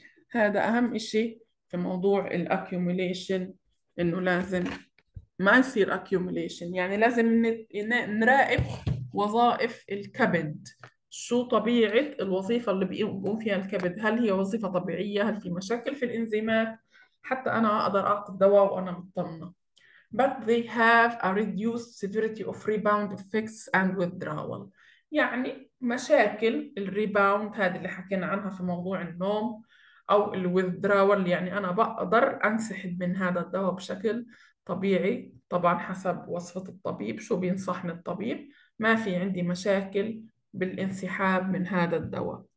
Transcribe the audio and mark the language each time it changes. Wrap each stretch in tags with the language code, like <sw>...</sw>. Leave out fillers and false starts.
<ar>هذا أهم إشي في موضوع الأكيوميليشن، إنه لازم ما يصير أكيوميليشن، يعني لازم نراقب وظائف الكبد، شو طبيعة الوظيفة اللي بيقوم فيها الكبد، هل هي وظيفة طبيعية، هل في مشاكل في الإنزيمات، حتى أنا أقدر أعطي الدواء وأنا مطمنة.</ar> <en>But they have a reduced severity of rebound effects and withdrawal.</en> <ar>يعني مشاكل الريباوند هذه اللي حكينا عنها في موضوع النوم أو الويذدراول، يعني أنا بقدر أنسحب من هذا الدواء بشكل طبيعي، طبعا حسب وصفة الطبيب شو بينصحني الطبيب، ما في عندي مشاكل بالانسحاب من هذا الدواء.</ar>